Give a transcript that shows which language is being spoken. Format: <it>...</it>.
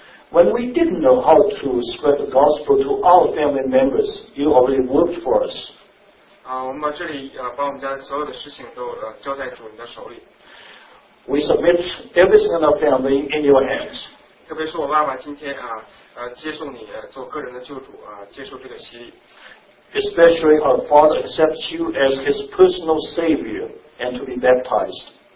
<en>When we didn't know how to spread the gospel to our family members, you already worked for us.</en> <zh>我们这里把我们家所有的事情都交在主你的手里。</zh> <en>We submit everything in our family in your hands.</en> <zh>特别是我爸爸今天接受你做个人的救主接受这个洗礼。</zh> <en>Especially our father accepts you as his personal savior and to be baptized.</en>